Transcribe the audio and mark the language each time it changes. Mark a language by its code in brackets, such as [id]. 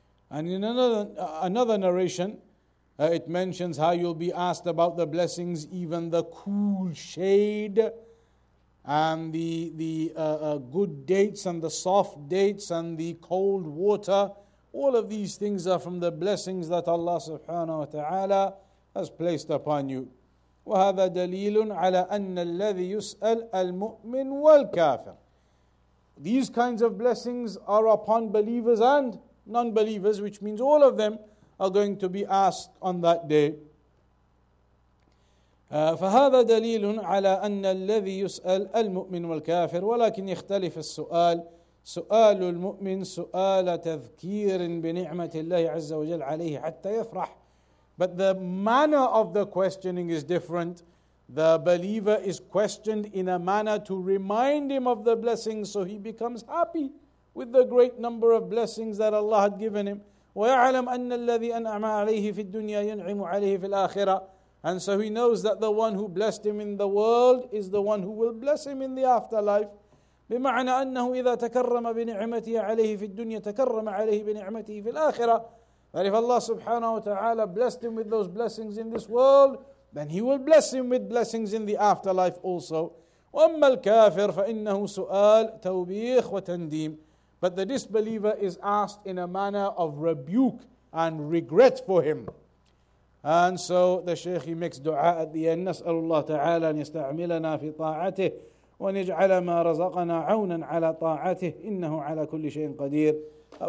[en] And in another narration, it mentions how you'll be asked about the blessings, even the cool shade and good dates and the soft dates and the cold water, all of these things are from the blessings that Allah subhanahu wa ta'ala has placed upon you. [ar] وهذا دليل على أن الذي يسأل المؤمن والكافر. [en] These kinds of blessings are upon believers and non-believers, which means all of them are going to be asked on that day. [ar] فهذا دليل على أن الذي يسأل المؤمن والكافر ولكن يختلف السؤال سؤال المؤمن سؤال تذكير بنعمة الله عز وجل عليه حتى يفرح. [en] But the manner of the questioning is different. The believer is questioned in a manner to remind him of the blessings so he becomes happy with the great number of blessings that Allah had given him. [ar] وَيَعْلَمْ أَنَّ الَّذِي أَنْعَمَ عَلَيْهِ فِي الدُّنْيَا يُنْعِمُ عَلَيْهِ فِي الْآخِرَةِ. [en] And so he knows that the one who blessed him in the world is the one who will bless him in the afterlife. [ar] بمعنى أنه إذا تكرم بنعمته عليه في الدنيا تكرم عليه بنعمته في الآخرة. [en] That if Allah subhanahu wa ta'ala blessed him with those blessings in this world, then he will bless him with blessings in the afterlife also. [ar] وأما الكافر فإنه سؤال توبيخ وتنديم. [en] But the disbeliever is asked in a manner of rebuke and regret for him. And so the Shaykh makes dua at the end. [ar] نسأل الله تعالى أن يستعملنا في طاعته ونجعل ما رزقنا عونا على طاعته إنه على كل شيء قدير.